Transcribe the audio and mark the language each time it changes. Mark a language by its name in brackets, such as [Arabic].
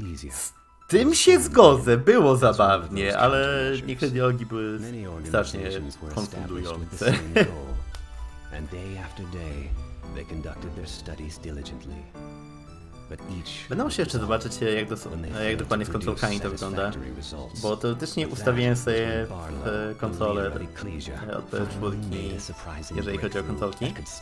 [Polish] Z tym się zgodzę, było zabawnie, ale niektóre dialogi były strasznie konfundujące. [English] And day after day they conducted their studies diligently. [Polish] Będę musiał jeszcze zobaczyć, jak dokładnie z konsolkami to wygląda, bo teoretycznie ustawiłem sobie w konsolę od PS4, jeżeli chodzi o konsolki.